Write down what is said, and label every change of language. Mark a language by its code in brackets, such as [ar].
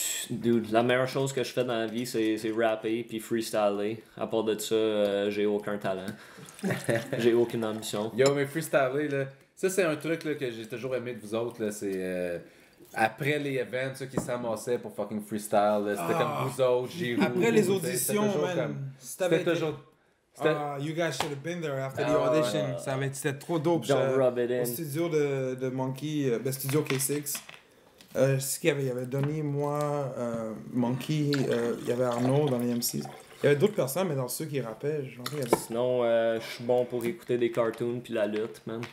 [fr] Dude, la meilleure chose que je fais dans la vie, c'est rapper puis freestyler. À part de ça, j'ai aucun talent. J'ai aucune ambition. Yo, mais freestyler, là. Ça, c'est un truc là, que j'ai toujours aimé de vous autres, là. C'est. Après les events, ceux qui s'amassaient pour fucking freestyle, là, c'était comme vous autres, Giroud. Après les auditions, man. C'était toujours. [en] You guys should have been there after the audition. [fr] Ça avait été trop dope. [en] Don't rub it in. [fr] Au studio de Monkey, Studio K6, ce qu'il y avait, il y avait Donny, moi, Monkey, il y avait Arnaud dans les MC. Il y avait d'autres personnes, mais dans ceux qui rappaient, j'en sais avait... Sinon, je suis bon pour écouter des cartoons puis la lutte, man.